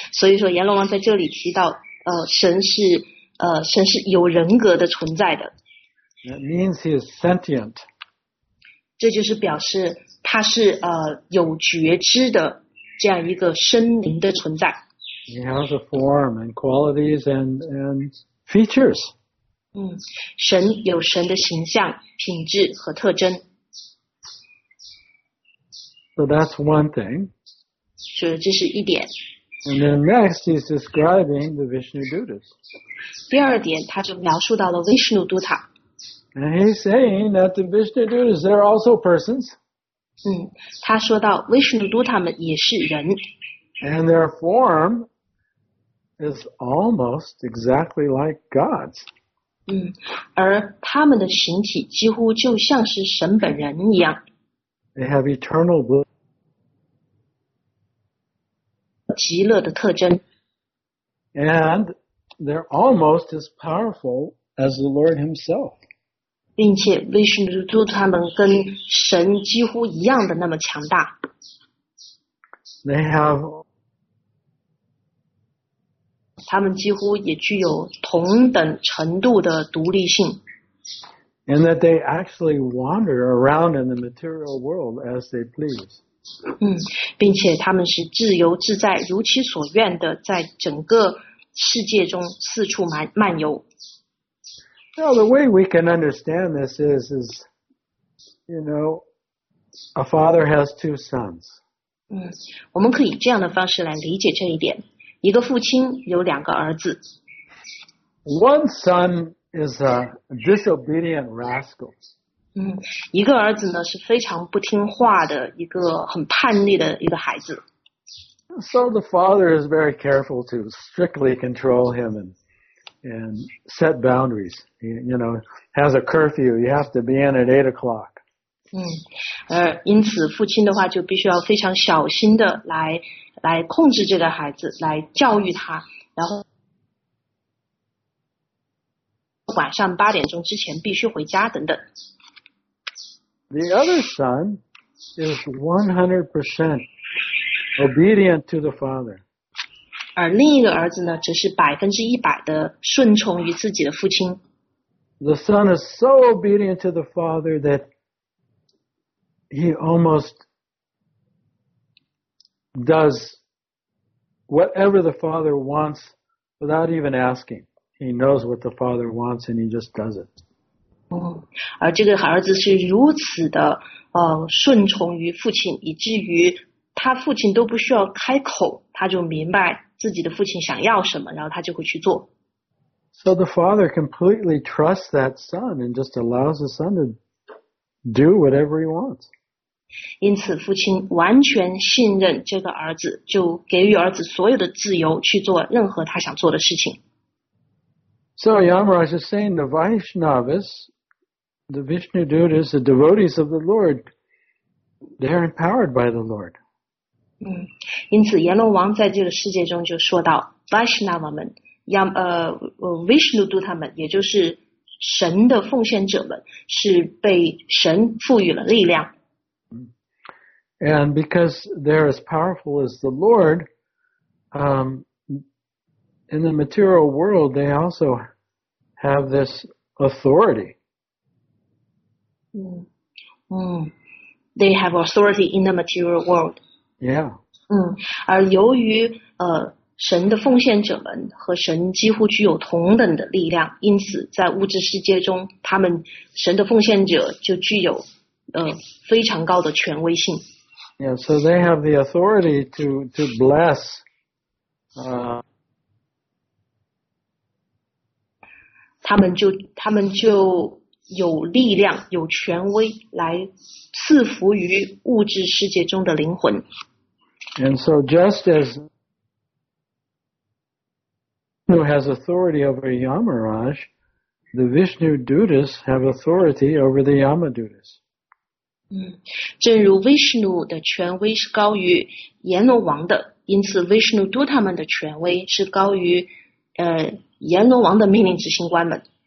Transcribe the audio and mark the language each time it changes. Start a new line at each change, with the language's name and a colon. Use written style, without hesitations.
Chinese: 所以说阎罗王在这里提到， 神是有人格的存在的。
English: That means he is sentient.
Chinese: 这就是表示他是有觉知的这样一个生灵的存在。
English: He has a form and qualities and features.
Chinese: 神有神的形象、品质和特征。
English: So that's one thing.
Chinese: 这是一点。
English: And then next, he's describing the Vishnu Dutas.
Chinese: 第二点，他就描述到了Vishnu Duta。
English: And he's saying that the Vishnu Dutas, they're also persons.
Chinese: 他说到Vishnu Duta们也是人。
English: And their form is almost exactly like God's.
Chinese: 而他们的形体几乎就像是神本人一样。
English: They have eternal bliss.
Chinese: 极乐的特征。
English: And they're almost as powerful as the Lord himself.
Chinese: 并且威神的主他们跟神几乎一样的那么强大。
English: They have,
Chinese: 他们几乎也具有同等程度的独立性。
English: And that they actually wander around in the material world as they please.
Chinese: 并且他们是自由自在如其所愿的在整个世界中四处漫游。
English: Well, the way we can understand this is, you know, a father has two sons.
Chinese: 我们可以这样的方式来理解这一点。一个父亲有两个儿子。
English: One son is a disobedient rascal.
Chinese: 一个儿子呢是非常不听话的一个很叛逆的一个孩子。
English: So the father is very careful to strictly control him and set boundaries, you know, has a curfew, you have to be in at 8 o'clock.
Chinese: 因此父亲的话就必须要非常小心的来控制这个孩子，来教育他，然后晚上八点钟之前必须回家等等。
English: The other son is 100% obedient to the father.
Chinese: 而另一个儿子呢，则是100%的顺从于自己的父亲。
English: The son is so obedient to the father that he almost does whatever the father wants without even asking. He knows what the father wants and he just does it.
Chinese: 而这个儿子是如此的顺从于父亲，以至于他父亲都不需要开口，他就明白。自己的父亲想要什么，然后他就会去做。
English: So the father completely trusts that son and just allows the son to do whatever he wants.
Chinese: 因此父亲完全信任这个儿子，就给予儿子所有的自由去做任何他想做的事情。
English: So Yamaraj is saying the Vaishnavas, the Vishnu Dutas, the devotees of the Lord, they're empowered by the Lord.
Chinese: 因此阎罗王在这个世界中就说到 Vaishnava 们 Vishnu Duta 们也就是神的奉献者们是被神赋予了力量
English: And because they're as powerful as the Lord in the material world they also have this authority They have authority in the material world Yeah
Chinese: 而由于神的奉献者们和神几乎具有同等的力量，因此在物质世界中，他们神的奉献者就具有非常高的权威性。
English: Yeah, so they have the authority to bless.
Chinese: 他们就有力量、有权威来赐福于物质世界中的灵魂。
English: And so just as Vishnu has authority over Yamaraj, the Vishnu Dutas have authority over the Yama Dutas.
Chinese: 正如 Vishnu 的权威是高于阎罗王的，因此 Vishnu Duta 们的权威是高于阎罗王的命令执行官们。